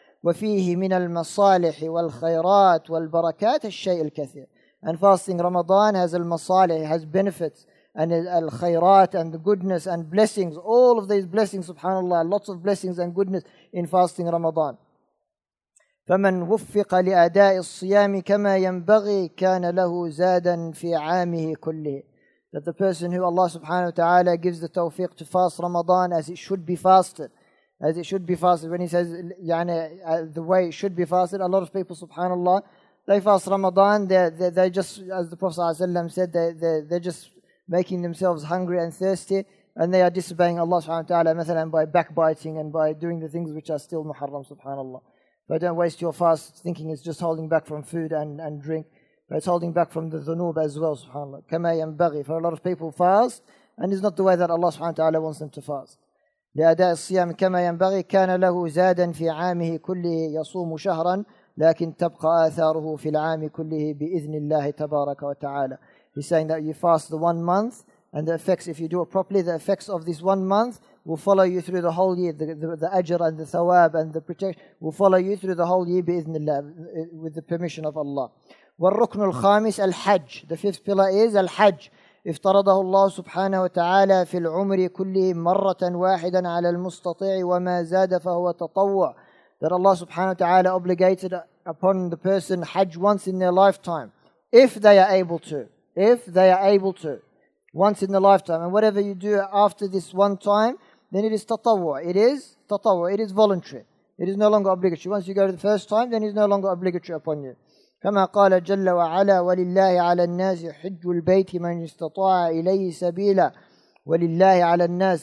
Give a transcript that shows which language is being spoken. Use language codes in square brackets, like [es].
[ar] وَفِيهِ مِنَ الْمَصَالِحِ وَالْخَيْرَاتِ وَالْبَرَكَاتِ الشَّيْءِ الْكَثِيرِ [en] And fasting Ramadan has al-masalih, has benefits, and al-khayrat, and the goodness, and blessings. All of these blessings, subhanAllah, lots of blessings and goodness in fasting Ramadan. [ar] فمن وفق لأداء الصيام كما ينبغي كان له زادا في عامه كله. [en] That the person who Allah subhanahu wa ta'ala gives the tawfiq to fast Ramadan as it should be fasted, as it should be fasted. When he says [ar] يعني, [en] the way it should be fasted, a lot of people subhanallah, they fast Ramadan, they just, as the Prophet sallallahu alayhi wa sallam said, they're just making themselves hungry and thirsty, and they are disobeying Allah subhanahu wa ta'ala [ar] مثلا, [en] by backbiting and by doing the things which are still muharram subhanallah. But don't waste your fast thinking it's just holding back from food and drink. It's holding back from the dhunub as well, subhanAllah. [ar] كَمَا يَنْبَغِي. [en] For a lot of people fast, and it's not the way that Allah subhanahu wa ta'ala wants them to fast. [ar] لِأَدَاءِ الصِّيَامِ كَمَا يَنْبَغِي كَانَ لَهُ زَادًا فِي عَامِهِ كُلِّهِ يَصُومُ شَهْرًا لَكِنْ تَبْقَى آثَارُهُ فِي الْعَامِ كُلِّهِ بِإِذْنِ اللَّهِ تَبَارَكَ وَتَعَالَى. [en] He's saying that you fast the 1 month, and the effects, if you do it properly, the effects of this 1 month will follow you through the whole year. The ajr and the thawab and the protection will follow you through the whole year [ar] بإذن الله, [en] with the permission of Allah. [ar] والركن الخامس الحج. [en] The fifth pillar is الحج. [ar] افترضه الله سبحانه وتعالى في العمر كله مرة واحدة على المستطيع وما زاد فهو تطوع. [en] That Allah [ar] سبحانه وتعالى [en] obligated upon the person حج once in their lifetime. If they are able to. If they are able to. Once in the lifetime. And whatever you do after this one time, then it is تطوع. It is تطوع. It is voluntary. It is no longer obligatory. Once you go the first time, then it is no longer obligatory upon you. [ar] كما قال جل وعلا ولله على الناس حج البيت من استطاع إليه سبيلا ولله على الناس.